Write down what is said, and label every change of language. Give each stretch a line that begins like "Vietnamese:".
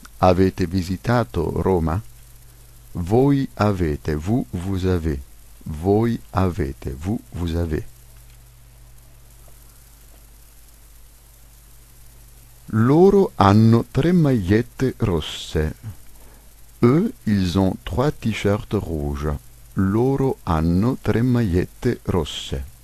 Italian: Avete visitato Roma? Voi avete,
French: vous avez.
Italian: Voi avete,
French: vous avez.
Italian: Loro hanno tre magliette rosse.
French: Eux, ils ont trois t-shirts rouges.
Italian: Loro hanno tre magliette rosse.